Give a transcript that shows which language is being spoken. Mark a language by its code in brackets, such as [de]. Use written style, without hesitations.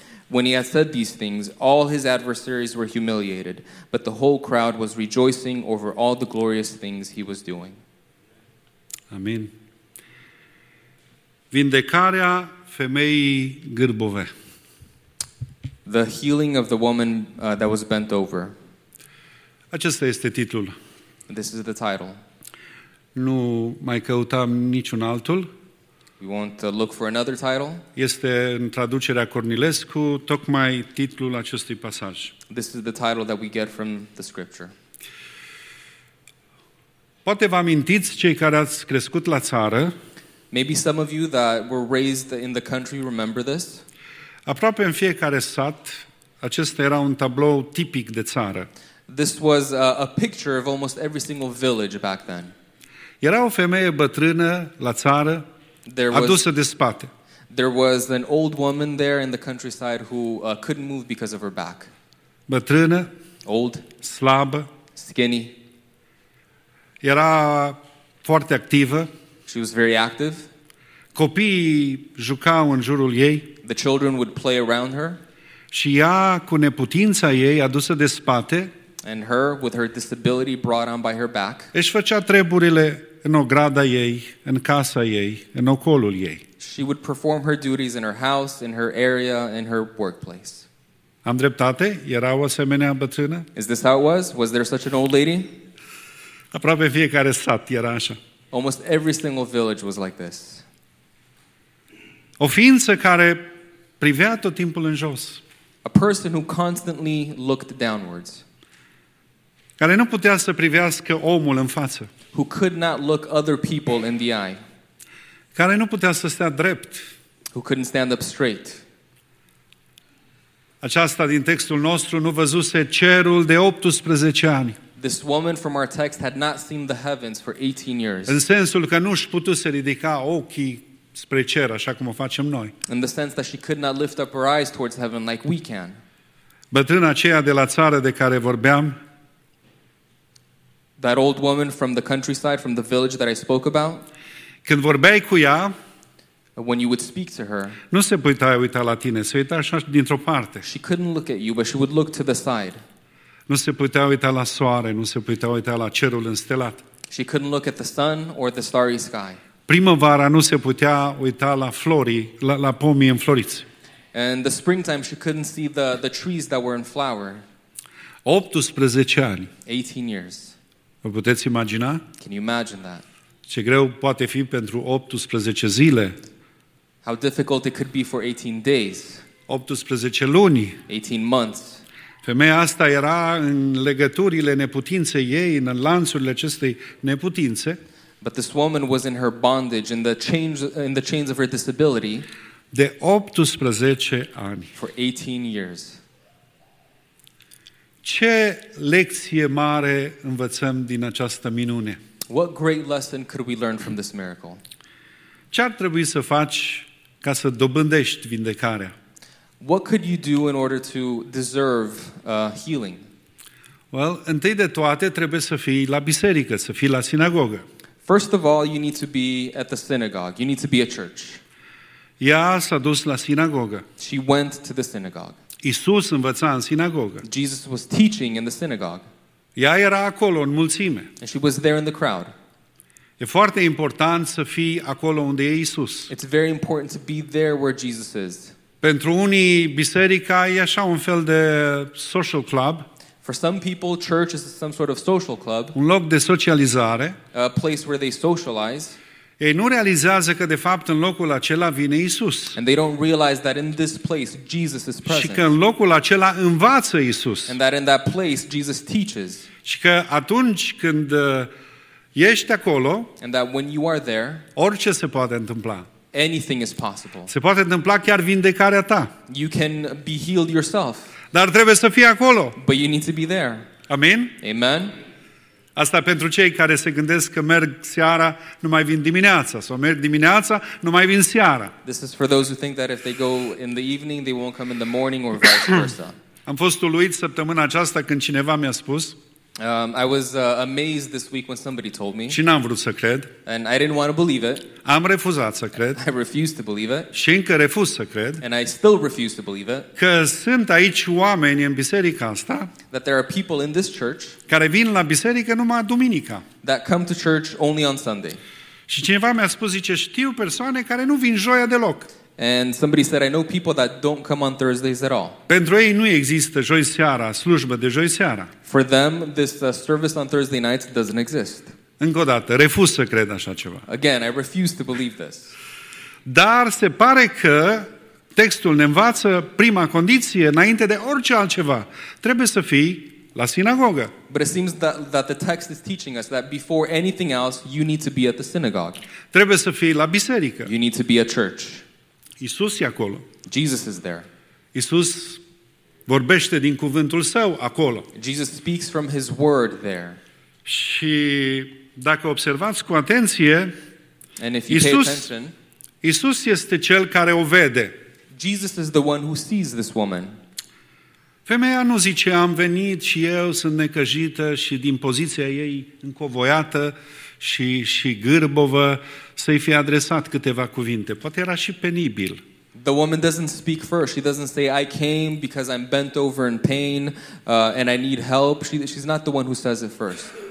[en] When he had said these things, all his adversaries were humiliated, but the whole crowd was rejoicing over all the glorious things he was doing. [ro] Amin. Vindecarea femeii gârbove. [en] The healing of the woman that was bent over. [ro] Acesta este titlul. [en] This is the title. [ro] Nu mai căutăm niciun altul. [en] We won't look for another title. [ro] Este în traducerea Cornilescu tocmai titlul acestui pasaj. [en] This is the title that we get from the scripture. [ro] Poate vă amintiți cei care ați crescut la țară. [en] Maybe some of you that were raised in the country remember this. [ro] Aproape în fiecare sat, acesta era un tablou tipic de țară. [en] This was a picture of almost every single village back then. [ro] Era o femeie bătrână la țară, adusă de spate. [en] There was an old woman there in the countryside who couldn't move because of her back. [ro] Bătrână, [en] old, [ro] slabă, [en] skinny. [ro] Era foarte activă. [en] She was very active. [ro] Copiii jucau în jurul ei. [en] The children would play around her. [ro] Și ea, cu neputința ei adusă de spate, [en] and her with her disability brought on by her back, [ro] își făcea treburile în ograda ei, în casa ei, în ocolul ei. [en] She would perform her duties in her house, in her area, in her workplace. [ro] Am dreptate? Era o asemenea bătrână? [en] Is this how it was? Was there such an old lady? [ro] Aproape fiecare sat era așa. [en] Almost every single village was like this. [ro] O ființă care privea tot timpul în jos. [en] A person who constantly looked downwards. [ro] Care nu putea să privească omul în față. [en] Who could not look other people in the eye. [ro] Care nu putea să stea drept. [en] Who couldn't stand up straight. [ro] Aceasta din textul nostru nu văzuse cerul de 18 ani. [en] This woman from our text had not seen the heavens for 18 years. [ro] În sensul că nu și-a putut să ridica ochii spre cer, așa cum o facem noi. [en] In the sense that she could not lift up her eyes towards heaven like we can. [ro] Bătrâna aceea de la țară de care vorbeam, [en] that old woman from the countryside, from the village that I spoke about, [ro] când vorbeai cu ea, [en] when you would speak to her, [ro] nu se putea uita la tine, se uita așa dintr-o parte. [en] She couldn't look at you, but she would look to the side. [ro] Nu se putea uita la soare, nu se putea uita la cerul înstelat. [en] She couldn't look at the sun or the starry sky. [ro] Primăvara nu se putea uita la florii, la pomii înfloriți. [en] And the springtime she couldn't see the trees that were in flower. [ro] 18 ani. [en] 18 years. [ro] Vă puteți imagina? [en] Can you imagine that? [ro] Ce greu poate fi pentru 18 zile. [en] How difficult it could be for 18 days. [ro] 18 luni. [en] 18 months. [ro] Femeia asta era în legăturile neputinței ei, în lanțurile acestei neputințe. [en] But this woman was in her bondage, in the chains of her disability. [ro] De 18 ani. [en] For 18 years. [ro] Ce lecție mare învățăm din această minune? [en] What great lesson could we learn from this miracle? [ro] Ce ar trebui să faci ca să dobândești vindecarea? [en] What could you do in order to deserve healing? [ro] Well, întâi de toate trebuie să fii la biserică, să fii la sinagogă. [en] First of all, you need to be at the synagogue. You need to be at church. [ro] Ea s-a dus la sinagogă. [en] She went to the synagogue. [ro] Iisus învăța în sinagogă. [en] Jesus was teaching in the synagogue. [ro] Ea era acolo în mulțime. [en] And she was there in the crowd. [ro] E foarte important să fii acolo unde e Iisus. [en] It's very important to be there where Jesus is. [ro] Pentru unii biserica e așa un fel de [en] social club. For some people church is some sort of social club. [ro] Un loc de socializare. [en] A place where they socialize. [ro] Ei nu realizează că de fapt în locul acela vine Iisus. [en] And they don't realize that in this place Jesus is present. [ro] Și că în locul acela învață Iisus. [en] And that in that place Jesus teaches. [ro] Și că atunci când ești acolo, [en] and that when you are there, [ro] orice se poate întâmpla. [en] Anything is possible. [ro] Se poate întâmpla chiar vindecarea ta. [en] You can be healed yourself. [ro] Dar trebuie să fii acolo. [en] But you need to be there. [ro] Amen. [en] Amen. [ro] Asta pentru cei care se gândesc că merg seara, nu mai vin dimineața, sau merg dimineața, nu mai vin seara. [en] This is for those who think that if they go in the evening, they won't come in the morning or vice versa. [ro] Am fost uluit săptămâna aceasta când cineva mi-a spus. [en] I was amazed this week when somebody told me. [ro] Și n-am vrut să cred. [en] And I didn't want to believe it. [ro] Am refuzat să cred. [en] I refused to believe it. [ro] Și încă refuz să cred. [en] And I still refuse to believe it. [ro] Că sunt aici oameni în biserica asta. [en] That there are people in this church. [ro] Care vin la biserică numai duminica. [en] That come to church only on Sunday. [ro] Și cineva mi-a spus, zice, știu persoane care nu vin joia deloc. [en] And somebody said, I know people that don't come on Thursdays at all. [ro] Pentru ei nu există joi seara, slujbă de joi seara. [en] For them, this service on Thursday nights doesn't exist. [ro] Încă o dată, refuz să cred așa ceva. [en] Again, I refuse to believe this. [ro] Dar se pare că textul ne învață prima condiție, înainte de orice altceva, trebuie să fii la sinagogă. [en] But it seems that the text is teaching us that before anything else, you need to be at the synagogue. [ro] Trebuie să fii la biserică. [en] You need to be at church. [ro] Iisus e acolo. [en] Jesus is there. [ro] Iisus vorbește din cuvântul său acolo. [en] Jesus speaks from his word there. [ro] Și dacă observați cu atenție, [en] and if you Iisus, pay attention, [ro] Iisus este cel care o vede. [en] Jesus is the one who sees this woman. [ro] Femeia nu zice, am venit și eu, sunt necăjită și din poziția ei încovoiată și gârbovă, să-i fi adresat câteva cuvinte. Poate era și penibil. [en] The woman doesn't speak first. She doesn't say, I came because I'm bent over in pain and I need help. She's not the one who says it first.